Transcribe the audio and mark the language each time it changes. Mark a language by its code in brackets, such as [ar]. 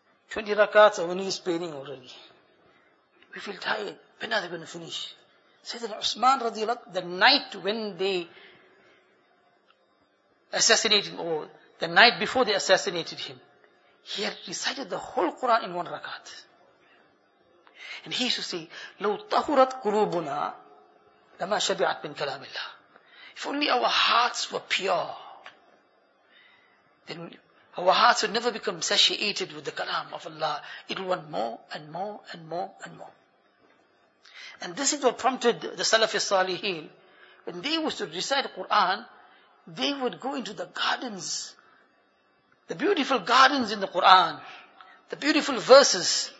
[en] 20 rakats are only spanning already. We feel tired. When are they going to finish? Sayyidina Uthman radiallahu ta'ala, the night when they assassinated him, the night before they assassinated him, he had recited the whole Quran in one rakat. And he used to say, [ar] لَوْ تَهُرَتْ قُلُوبُنَا لَمَا شَبِعَتْ مِنْ كَلَامِ اللَّهِ. [en] If only our hearts were pure, then our hearts would never become satiated with the kalam of Allah. It will want more and more and more and more. And this is what prompted the Salafi Salihin. When they used to recite the Quran, they would go into the gardens, the beautiful gardens in the Quran, the beautiful verses.